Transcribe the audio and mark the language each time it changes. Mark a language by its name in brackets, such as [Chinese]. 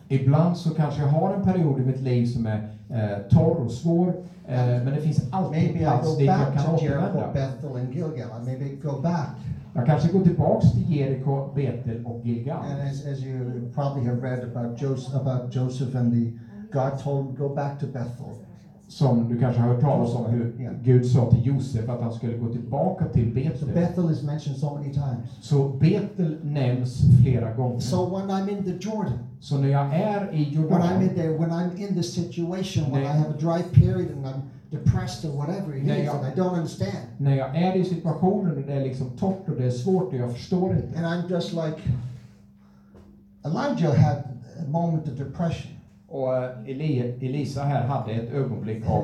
[Swedish] Ibland så kanske jag har en period i mitt liv som är torr och svår, men det finns alltid [English] maybe [Swedish] plats [English] I go back [Swedish] jag kan [English] to Jericho, Bethel and Gilgal. I maybe go back. [Swedish] Jag kanske går tillbaks till Jeriko, Betel och Gilgal. [English] And as you probably have read about Joseph and the God told go back to Bethel. [Swedish] Som du kanske har hört talas om hur Gud sa till Josef att han skulle gå tillbaka till Betel. [English] So Bethel is mentioned so many times. [Swedish] Så Betel nämns flera gånger. [English] So when I'm in the Jordan. [Swedish] Så när jag är i Jordan. [English] When I'm in there, when I'm in the situation, when I have a dry period and I'm depressed or whatever it is, and I don't understand. [Swedish] När jag är i situationen där det är liksom torrt och det är svårt och jag förstår inte. [English] And I'm just like Elijah had a moment of depression. [Swedish] Och Elisa här hade ett ögonblick av